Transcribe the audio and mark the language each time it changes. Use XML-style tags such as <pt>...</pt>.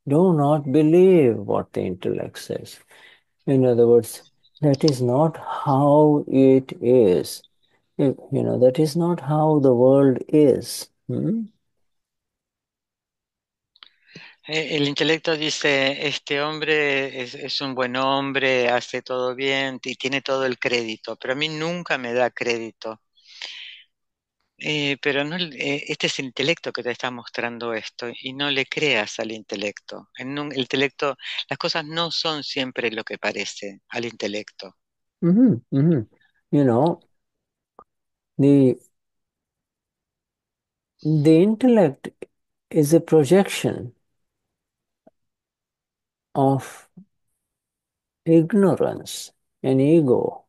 <en>Do not believe what the intellect says. In other words, that is not how it is. You know, that is not how the world is.</en> <es>El intelecto dice, este hombre es un buen hombre, hace todo bien y tiene todo el crédito, pero a mí nunca me da crédito. Pero no, este es el intelecto que te está mostrando esto y no le creas al intelecto. El intelecto, las cosas no son siempre lo que parece al intelecto.</es> <en>You know, the intellect is a projection of ignorance and ego.</en>